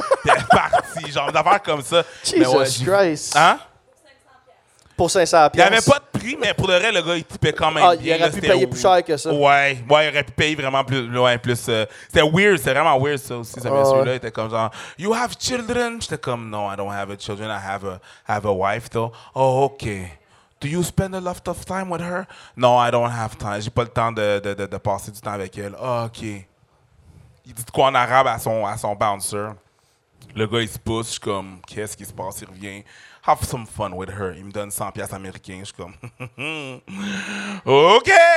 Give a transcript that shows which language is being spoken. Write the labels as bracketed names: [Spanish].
[French] Puis elle est partie, genre d'affaires comme ça. Jesus mais ouais, Christ! Hein? Pour 500$. Il n'y avait pas de prix, mais pour le reste, le gars, il typait quand même. Ah, il aurait pu payer plus cher que ça. Ouais, ouais, il aurait pu payer vraiment plus. Ouais, plus c'était weird, c'était vraiment weird, ça aussi, ce monsieur-là. Il était comme genre, [English] you have children? [French] J'étais comme, [English] no, I don't have a children. I have a wife, though. Oh, OK. Do you spend a lot of time with her? No, I don't have time. [French] J'ai pas le temps de passer du temps avec elle. Oh, OK. Il dit quoi en arabe à son bouncer? Le gars, il se pousse, je suis comme, qu'est-ce qui se passe? Il revient. [English] Have some fun with her. [French] Il me donne 100 piastres américains. Je suis comme, OK!